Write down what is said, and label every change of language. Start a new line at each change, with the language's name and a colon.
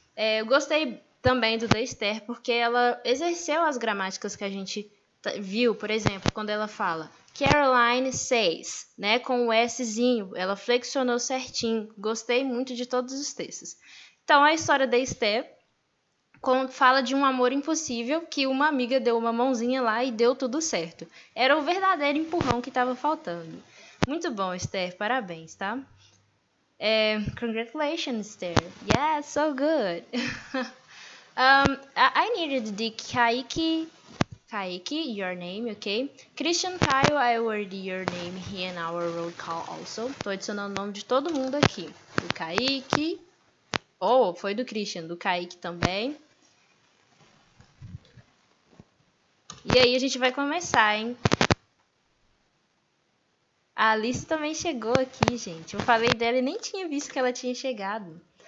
Portuguese: Eu gostei também do da Esther, porque ela exerceu as gramáticas que a gente viu, por exemplo, quando ela fala Caroline says, né, com o Szinho, ela flexionou certinho, gostei muito de todos os textos. Então, a história da Esther fala de um amor impossível que uma amiga deu uma mãozinha lá e deu tudo certo. Era o verdadeiro empurrão que estava faltando. Muito bom, Esther, parabéns, tá?
English: Congratulations, Esther. Yeah, so good. I needed the Kaiki... Kaiki, your name, okay? Christian, Caio, I already your name here in our roll call also.
Portuguese: Tô adicionando o nome de todo mundo aqui. Do Kaiki. Oh, foi do Christian. Do Kaiki também. E aí a gente vai começar, hein? A Alice também chegou aqui, gente. Eu falei dela e nem tinha visto que ela tinha chegado.